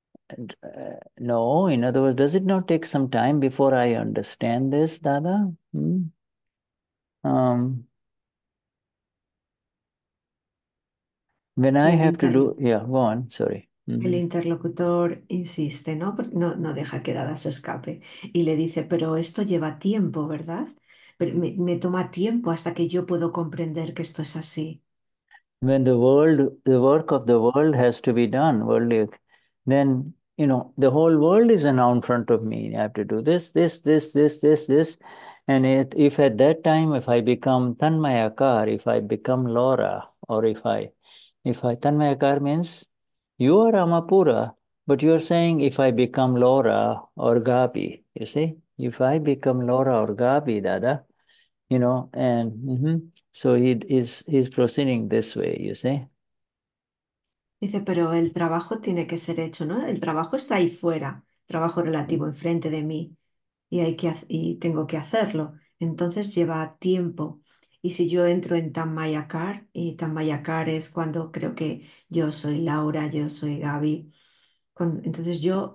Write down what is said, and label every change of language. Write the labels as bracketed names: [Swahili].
[English] And, no, in other words, does it not take some time before I understand this, Dada? When I have to do, yeah, go on, sorry. [Spanish] El interlocutor insiste, ¿no? No deja que Dada se escape y le dice, pero esto lleva tiempo, ¿verdad? Pero me toma tiempo hasta que yo puedo comprender que esto es así. [English] When the work of the world has to be done, worldly, then, you know, the whole world is now in front of me. I have to do this, this, this, this, this, this. And if at that time, if I become Tanmayakar, if I become Laura, or if I, Tanmayakar means you are Amapura, but you are saying if I become Laura or Gabi, you see, if I become Laura or Gabi, Dada, you know, and so he's proceeding this way, you see. [Spanish] Dice, pero el trabajo tiene que ser hecho, ¿no? El trabajo está ahí fuera, trabajo relativo enfrente de mí y tengo que hacerlo. Entonces lleva tiempo. Y si yo entro en Tanmayakar, y Tanmayakar es cuando creo que yo soy Laura, yo soy Gaby, entonces yo